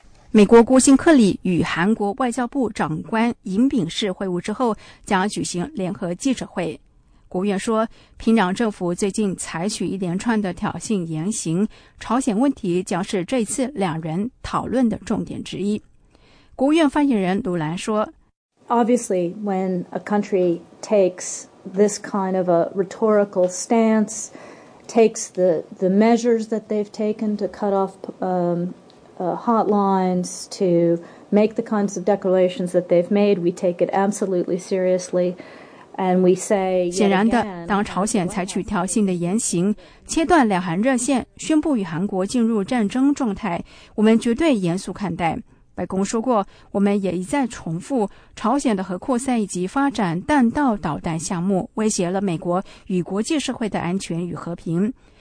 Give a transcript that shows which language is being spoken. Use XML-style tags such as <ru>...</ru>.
<zh>美国国务卿克里与韩国外交部长官尹炳世会晤之后将举行联合记者会。国务院说，平壤政府最近采取一连串的挑衅言行，朝鲜问题将是这次两人讨论的重点之一。国务院发言人卢兰说，</zh> <en>Obviously, when a country takes this kind of a rhetorical stance, takes the measures that they've taken to cut off hotlines, to make the kinds of declarations that they've made, we take it absolutely seriously. And we say,</en> <zh>显然的，当朝鲜采取挑衅的言行，切断两韩热线，宣布与韩国进入战争状态，我们绝对严肃看待。白宫说过，我们也一再重复，朝鲜的核扩散以及发展弹道导弹项目威胁了美国与国际社会的安全与和平。</zh>